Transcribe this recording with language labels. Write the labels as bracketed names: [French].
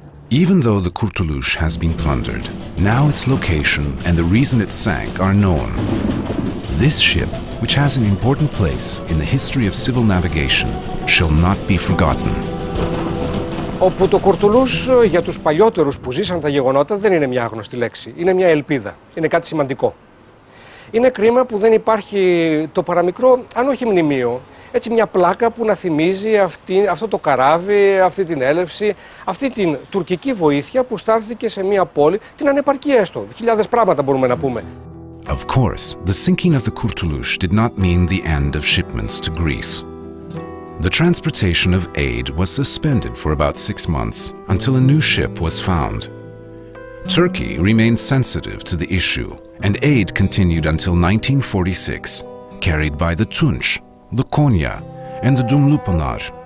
[English] Even though the Kurtulus has been plundered, now its location and the reason it sank are known. This ship, which has an important place in the history of civil navigation, shall not be forgotten. [Greek] Όπου το Κουρτουλούς για τους παλιότερους που ζήσαν τα γεγονότα δεν είναι μια άγνωστη λέξη. Είναι μια ελπίδα. Είναι κάτι σημαντικό. Είναι κρίμα που δεν υπάρχει το παραμικρό, αν όχι μνημείο, έτσι μια πλάκα που να θυμίζει αυτό το καράβι, αυτή την έλευση, αυτή την τουρκική βοήθεια που στάθηκε σε μια πόλη, την ανεπαρκή έστω. Χιλιάδες πράγματα μπορούμε να πούμε. [English] Of course, the sinking of the Kurtulus did not mean the end of shipments to Greece. The transportation of aid was suspended for about 6 months until a new ship was found. Turkey remained sensitive to the issue, and aid continued until 1946, carried by the Tunç, the Konya, and the Dumlupınar.